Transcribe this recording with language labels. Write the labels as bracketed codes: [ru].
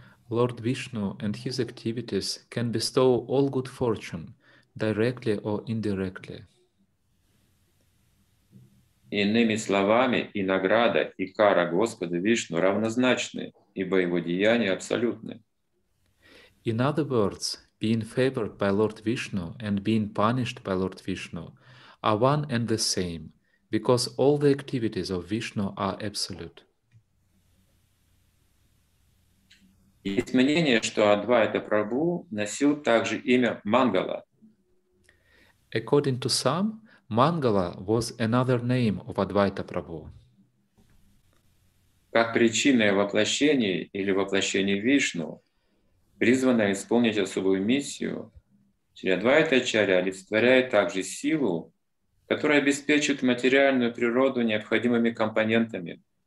[en] Lord Vishnu and his activities can bestow all good fortune, directly or indirectly. [ru] Иными словами, и награда, и кара Господа Вишну равнозначны, ибо его деяния абсолютны. [en] In other words, being favored by Lord Vishnu and being punished by Lord Vishnu are one and the same, because all the activities of Vishnu are absolute. [ru] Есть мнение, что Адвайта Прабху носил также имя Мангала. [en] According to some, Мангала was another name of Advaita Prabhu. [ru] Как причинное воплощение или воплощение Вишну, призванное исполнить особую миссию, Шри Адвайта Ачарья олицетворяет также силу, которая обеспечивает материальную природу необходимыми компонентами.